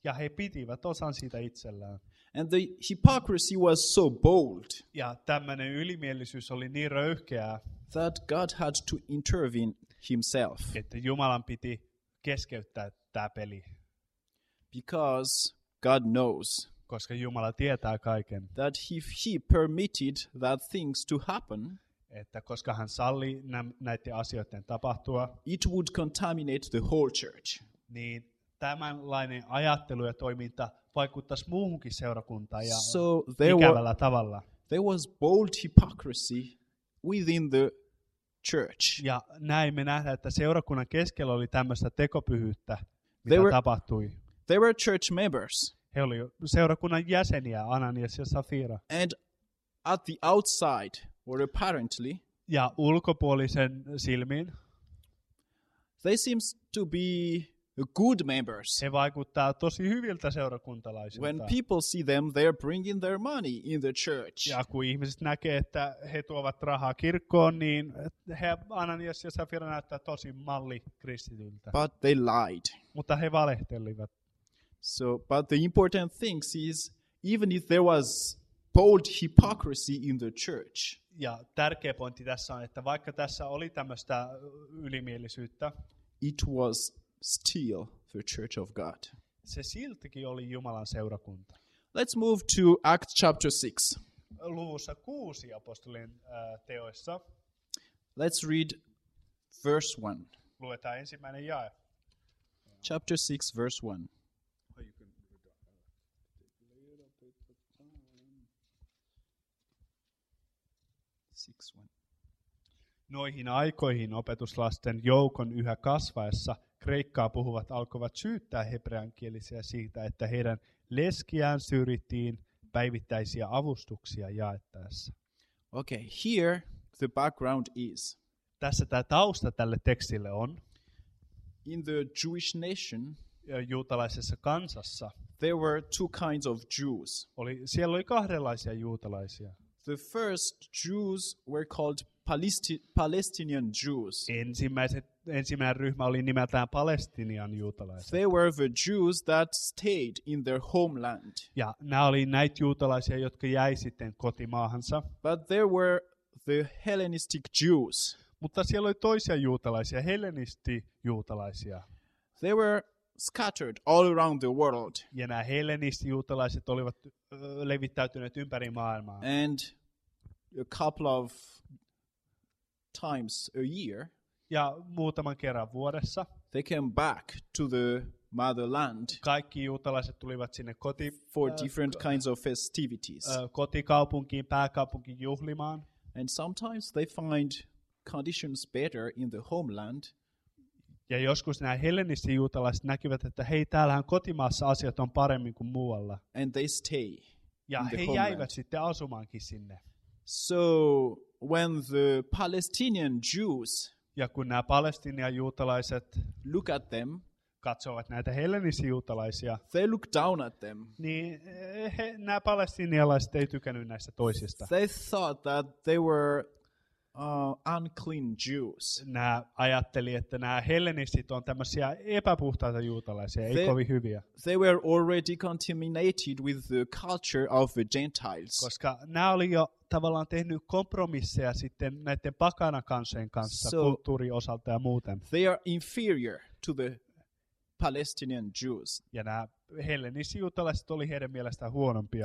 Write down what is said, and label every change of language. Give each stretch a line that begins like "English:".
Finnish: Ja he pitivät osan siitä itsellään.
English: And the hypocrisy was so bold.
Finnish: Ja tämmöinen ylimielisyys oli niin röyhkeää.
English: That God had to intervene himself.
Finnish: Että Jumalan piti keskeyttää tämä peli.
English: Because God knows.
Finnish: Koska Jumala tietää kaiken.
English: That if he permitted that things to happen.
Finnish: Että koska hän salli näiden asioiden tapahtua,
English: it would contaminate the whole church.
Finnish: Niin tämänlainen ajattelu ja toiminta vaikuttaisi muuhunkin seurakuntaan ja
English: so
Finnish: ikävällä tavalla.
English: There was bold hypocrisy within the church.
Finnish: Ja näin me nähdään, että seurakunnan keskellä oli tämmöistä tekopyhyyttä, mitä tapahtui.
English: They were church members.
Finnish: He oli seurakunnan jäseniä, Ananias ja Safira.
English: And at the outside, or apparently,
Finnish: ja ulkopuolisen silmin,
English: they seems to be good members.
Finnish: He vaikuttaa tosi hyviltä seurakuntalaisilta.
English: When people see them, they're bringing their money in the church.
Finnish: Ja kun ihmiset näkee, että he tuovat rahaa kirkkoon, niin he Ananias ja Safira näyttää tosi malli kristityltä.
English: But they lied.
Finnish: Mutta he valehtelivat.
English: So, but the important thing is, even if there was bold hypocrisy in the church.
Finnish: Ja tärkeä pointti tässä on, että vaikka tässä oli tämmöistä ylimielisyyttä,
English: it was still the church of God.
Finnish: Se siltikin oli Jumalan seurakunta.
English: Let's move to Acts chapter 6.
Finnish: Luvussa 6 apostolien teoissa.
English: Let's read verse 1.
Finnish: Luetaan ensimmäinen jae.
English: Chapter 6 verse 1.
Finnish: Noihin aikoihin opetuslasten joukon yhä kasvaessa kreikkaa puhuvat alkoivat syyttää hebreankielisiä siitä, että heidän leskiään syrjittiin päivittäisiä avustuksia jaettaessa.
English: Okay, here the background is.
Finnish: Tässä tämä tausta tälle tekstille on.
English: In the Jewish nation,
Finnish: juutalaisessa kansassa,
English: there were two kinds of Jews.
Finnish: Siellä oli kahdenlaisia juutalaisia.
English: The first Jews were called Palestinian Jews.
Finnish: Ensimmäinen ryhmä oli nimeltään Palestinian juutalaiset.
English: They were the Jews that stayed in their homeland.
Finnish: Ja nämä oli näitä juutalaisia, jotka jäi sitten kotimaahansa.
English: But there were the Hellenistic Jews.
Finnish: Mutta siellä oli toisia juutalaisia, hellenistijuutalaisia.
English: They were scattered all around the world.
Finnish: Ja nämä hellenistijuutalaiset olivat levittäytyneet ympäri maailmaa.
English: And a couple of times a year.
Finnish: Ja muutaman kerran vuodessa.
English: They came back to the motherland.
Finnish: Kaikki juutalaiset tulivat sinne
English: for different kinds of festivities.
Finnish: Kotikaupunkiin, pääkaupunkiin juhlimaan.
English: And sometimes they find conditions better in the homeland.
Finnish: Ja joskus nämä hellenistiset juutalaiset näkivät, että hei, täällähän kotimaassa asiat on paremmin kuin muualla.
English: And they stay.
Finnish: Ja he jäivät sitten asumaankin sinne.
English: So when the Palestinian Jews,
Finnish: ja kun nämä Palestinian juutalaiset
English: look at them,
Finnish: katsovat näitä hellenisiä juutalaisia,
English: they look down at them,
Finnish: niin nämä palestinialaiset ei tykännyt näistä toisista.
English: They thought that they were unclean Jews.
Finnish: Nämä ajatteli, että nämä hellenistit on tämmöisiä epäpuhtaita juutalaisia, ei kovin hyviä.
English: They were already contaminated with the culture of the Gentiles.
Finnish: Koska nämä oli jo tavallaan tehnyt kompromisseja sitten näiden pakanakansojen kanssa
English: so
Finnish: kulttuurin osalta ja muuten.
English: They are inferior to the Palestinian Jews.
Finnish: Ja nämä hellenistit juutalaiset oli heidän mielestään huonompia.